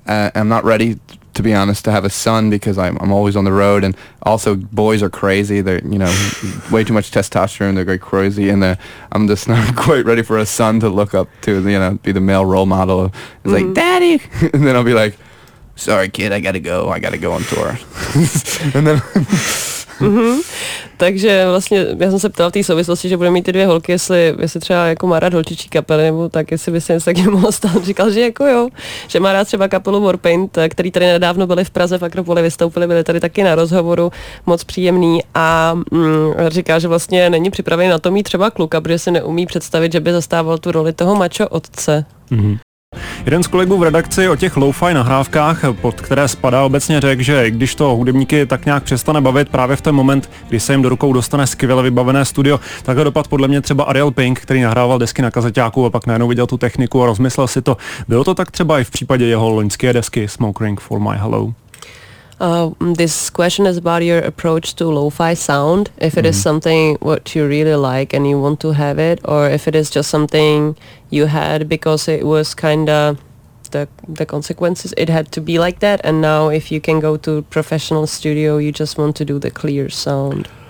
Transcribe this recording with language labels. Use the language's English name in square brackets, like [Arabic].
[English] I'm not ready, to be honest, to have a son because I'm always on the road, and also boys are crazy. They're, you know, way too much testosterone. They're very crazy, and I'm just not quite ready for a son to look up to, you know, be the male role model. It's like, daddy, and then I'll be like, sorry, kid, I gotta go on tour, and then. [Czech] Takže vlastně já jsem se ptal v té souvislosti, že bude mít ty dvě holky, jestli třeba jako má rád holčičí kapely, nebo tak, jestli by se něco taky mohlo stát. Říkal, že jako jo, že má rád třeba kapelu Warpaint, který tady nedávno byli v Praze v Akropole, vystoupili, byli tady taky na rozhovoru, moc příjemný, a říká, že vlastně není připravený na to mít třeba kluka, protože si neumí představit, že by zastával tu roli toho mačo otce. Jeden z kolegů v redakci o těch lo-fi nahrávkách, pod které spadá, obecně řekl, že když to hudebníky tak nějak přestane bavit právě v ten moment, kdy se jim do rukou dostane skvěle vybavené studio, takhle dopad podle mě třeba Ariel Pink, který nahrával desky na kazeťáku a pak najednou viděl tu techniku a rozmyslel si to. Bylo to tak třeba i v případě jeho loňské desky Smoke Ring for My Hello? [English] This question is about your approach to lo-fi sound, if it is something what you really like and you want to have it, or if it is just something you had because it was kind of the consequences, it had to be like that, and now if you can go to a professional studio, you just want to do the clear sound.